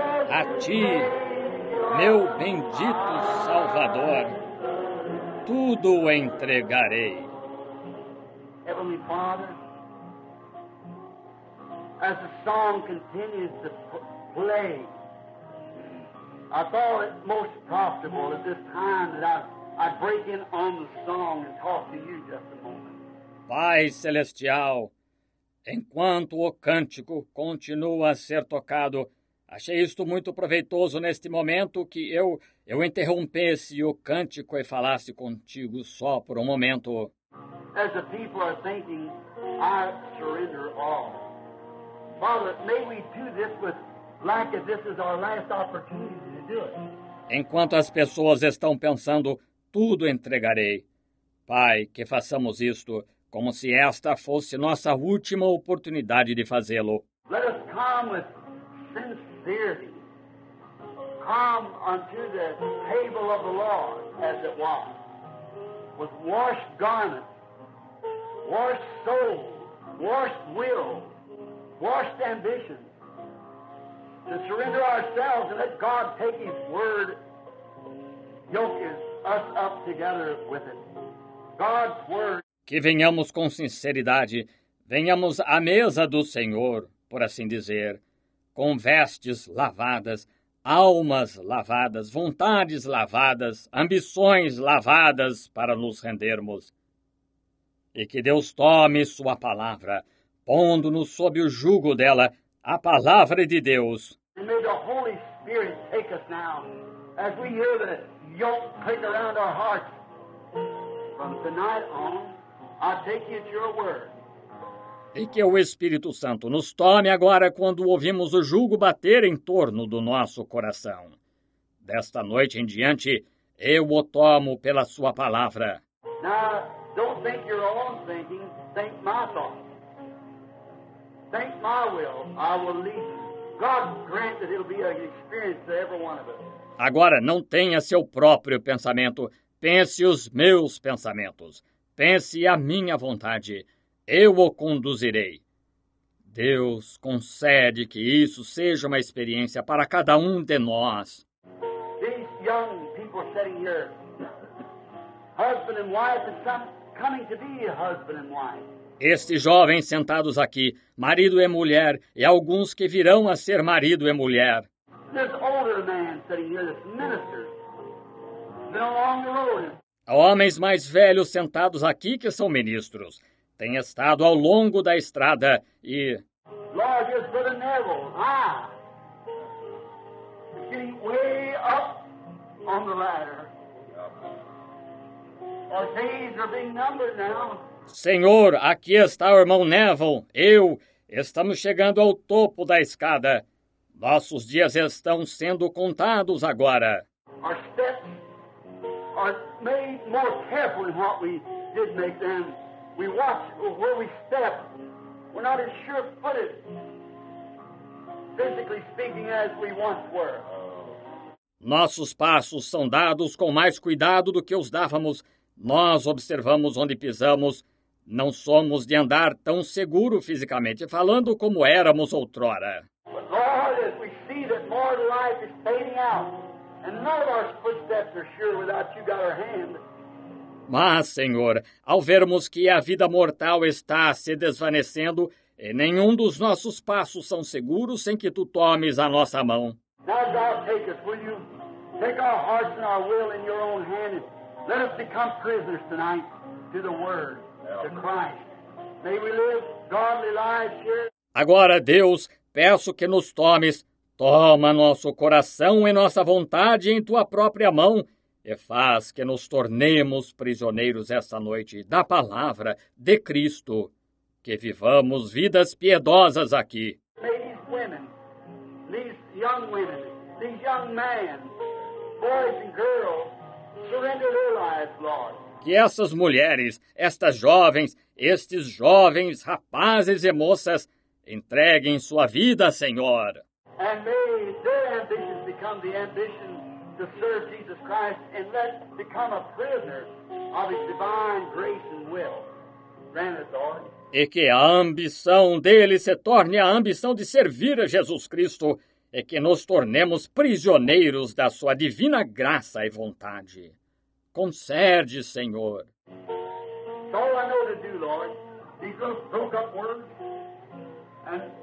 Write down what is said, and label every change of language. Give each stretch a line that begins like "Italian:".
Portuguese: A Ti, meu bendito Salvador, tudo entregarei.
English: Heavenly Father, as the song continues to play. I thought it most profitable at this time that I'd break in on the song and talk to you just a moment.
Portuguese: Pai Celestial, enquanto o cântico continua a ser tocado, achei isto muito proveitoso neste momento que eu interrompesse o cântico e falasse contigo só por um momento.
English: As the people are thinking, I surrender all. Father, may we do this with like if this is our last opportunity to do it.
Portuguese: Enquanto as pessoas estão pensando, tudo entregarei. Pai, que façamos isto como se esta fosse nossa última oportunidade de fazê-lo.
English: Let us come with sincerity. Come unto the table of the Lord, as it was, with washed garments, washed soul, washed will, washed ambition, to surrender ourselves and let God take His word, yoke us up together with it. God's word.
Portuguese: Que venhamos com sinceridade, venhamos à mesa do Senhor, por assim dizer, com vestes lavadas, almas lavadas, vontades lavadas, ambições lavadas para nos rendermos. E que Deus tome sua palavra, pondo-nos sob o jugo dela, a palavra de Deus.
English: And may the Holy Spirit take us now, as we hear the yoke clink around our hearts. From tonight on, I take you at your word.
Portuguese: E que o Espírito Santo nos tome agora quando ouvimos o jugo bater em torno do nosso coração. Desta noite em diante, eu o tomo pela sua palavra.
English: Now, don't think your own thinking, think my thought. Think my will, I will lead you. God grant that it'll be an experience to every one of us.
Portuguese: Agora, não tenha seu próprio pensamento, pense os meus pensamentos. Pense a minha vontade. Eu o conduzirei. Deus concede que isso seja uma experiência para cada um de nós.
English: These young people sitting here, husband and wife, and some coming to be husband and wife.
Portuguese: Estes jovens sentados aqui, marido e mulher, e alguns que virão a ser marido e mulher.
English: This older man sitting here, this minister, been along the road.
Portuguese: Homens mais velhos sentados aqui que são ministros. Têm estado ao longo da estrada e...
English: Lord, just for the Neville, ah! Getting way up on the ladder. Our days are being numbered now.
Portuguese: Senhor, aqui está o irmão Neville. Eu, estamos chegando ao topo da escada. Nossos dias estão sendo contados agora.
English: Our steps are made more careful than what we did make them. We watch where we step. We're not as sure-footed, physically speaking, as we once were.
Portuguese: Nossos passos são dados com mais cuidado do que os dávamos. Nós observamos onde pisamos. Não somos de andar tão seguro fisicamente, falando como éramos outrora.
English: But Lord, as we see that more life is fading out, and none of our footsteps are sure without you got our hand.
Portuguese: Mas, Senhor, ao vermos que a vida mortal está se desvanecendo, e nenhum dos nossos passos são seguros sem que Tu tomes a nossa mão.
English: Now thou take us, will you? Take our hearts and our will in your own hand and let us become prisoners tonight to the word, to Christ. May we live godly lives here.
Portuguese: Agora, Deus, peço que nos tomes. Toma nosso coração e nossa vontade em Tua própria mão e faz que nos tornemos prisioneiros esta noite da palavra de Cristo, que vivamos vidas piedosas aqui.
English: These women, these young women, these young men, boys and girls, surrender their lives, Lord.
Portuguese: Que essas mulheres, estas jovens, estes jovens rapazes e moças, entreguem sua vida, Senhor.
English: And may their ambitions become the ambition to serve Jesus Christ and let become a prisoner of His divine grace and will. Grant it, Lord.
Portuguese: E que a ambição deles se torne a ambição de servir a Jesus Cristo e que nos tornemos prisioneiros da sua divina graça e vontade. Concede, Senhor.
English: That's all I know to do, Lord. These little broke up words and